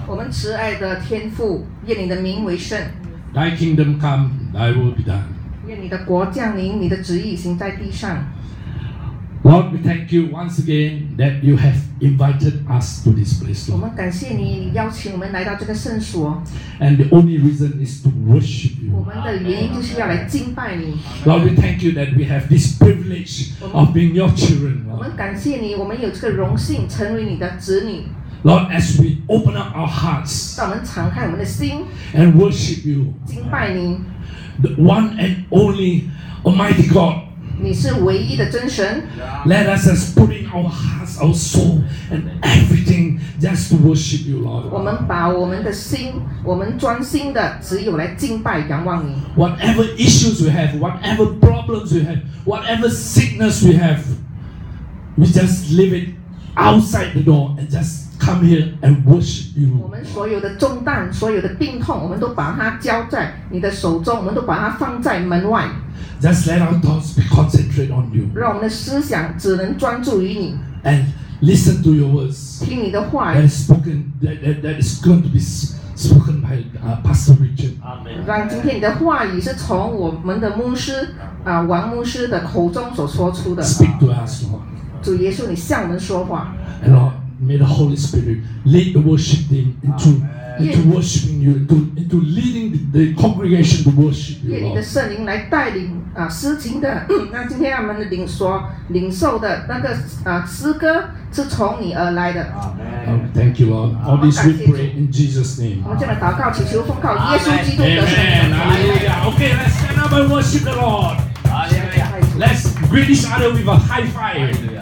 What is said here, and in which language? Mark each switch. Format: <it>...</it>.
<zh>我们慈爱的天父，愿你的名为圣。</zh> <en>Thy kingdom come, thy will be done.</en> <zh>愿你的国降临，你的旨意行在地上。</zh> <en>Lord, we thank you once again that you have invited us to this place.</en> <zh>我们感谢你邀请我们来到这个圣所。</zh> <en>And the only reason is to worship you.</en> <zh>我们的原因就是要来敬拜你。</zh> <en>Lord, we thank you that we have this privilege of being your children.</en> <zh>我们感谢你，我们有这个荣幸成为你的子女。</zh> <en>Lord, as we open up our hearts,</en> <zh>让我们敞开我们的心</zh> <en>and worship you,</en> <zh>敬拜你</zh> <en>the one and only Almighty God.</en> <zh>你是唯一的真神</zh> <en>Let us as put in our hearts, our soul, and everything just to worship you, Lord.</en> <zh>我们把我们的心，我们专心的，只有来敬拜仰望你</zh> <en>Whatever issues we have, whatever problems we have, whatever sickness we have, we just leave it outside the door and just. Come here and worship you.</en> <zh>我们所有的重担，所有的病痛，我们都把它交在你的手中，我们都把它放在门外。</zh> <en>Just let our thoughts be concentrated on you.</en> <zh>让我们的思想只能专注于你。</zh> <en>And listen to your words.</en> <zh>听你的话。</zh> <en>That is spoken. That is going to be spoken by Pastor Richard. Amen.</en> <zh>让今天你的话语是从我们的牧师啊、王牧师的口中所说出的。</zh> <en>Speak to us, Lord.</en> <zh>主耶稣，你向我们说话。</zh> <en>Lord. May the Holy Spirit lead the worship team into worshiping you, into leading the congregation to worship you.</en> <zh>愿你的圣灵来带领啊，诗情的。那今天我们领受的那个啊诗歌是从你而来的。</zh> <en>Amen. Thank you, Lord. All this we pray in Jesus' name.</en> <zh>我们这么祷告，祈求奉靠耶稣基督的圣名。</zh> <en>Hallelujah. Okay, let's stand up and worship the Lord. Let's greet each other with a high five.</en>